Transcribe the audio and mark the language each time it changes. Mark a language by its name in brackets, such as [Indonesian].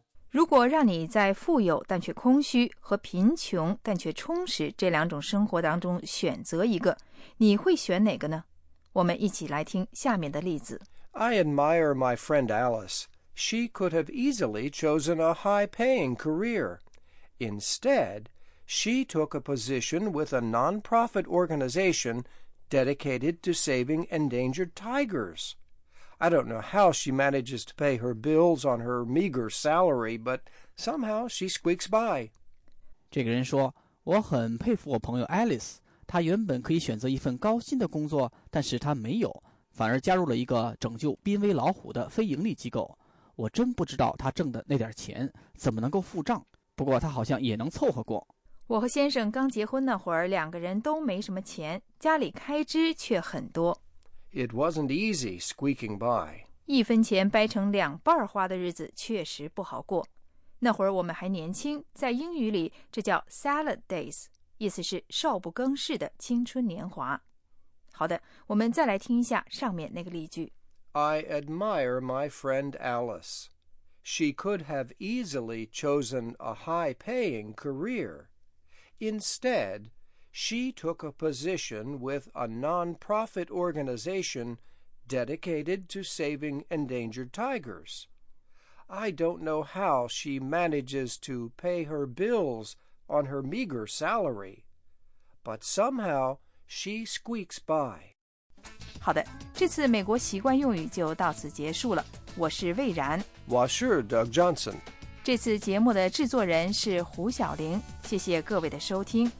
[Chinese] 如果让你在富有但却空虚和贫穷但却充实这两种生活当中选择一个，你会选哪个呢？我们一起来听下面的例子。 [English] I admire my friend Alice. She could have easily chosen a high-paying career. Instead, she took a position with a non-profit organization dedicated to saving endangered tigers. I don't know how she manages to pay her bills on her meager salary, but somehow she squeaks by. [Chinese] 这个人说，我很佩服我朋友 Alice, 她原本可以选择一份高薪的工作，但是她没有，反而加入了一个拯救濒危老虎的非盈利机构。我真不知道她挣的那点钱怎么能够付账，不过她好像也能凑合过。我和先生刚结婚那会儿，两个人都没什么钱，家里开支却很多。 [English] It wasn't easy squeaking by. [Chinese] 一分钱掰成两半花的日子确实不好过。那会儿我们还年轻，在英语里这叫 salad days, 意思是少不更事的青春年华。好的，我们再来听一下上面那个例句。 [English] I admire my friend Alice. She could have easily chosen a high-paying career. Instead,She took a position with a non-profit organization dedicated to saving endangered tigers. I don't know how she manages to pay her bills on her meager salary, but somehow she squeaks by. [Chinese] 好的，这次美国习惯用语就到此结束了。我是魏然。我是 Doug Johnson。这次节目的制作人是胡晓玲，谢谢各位的收听。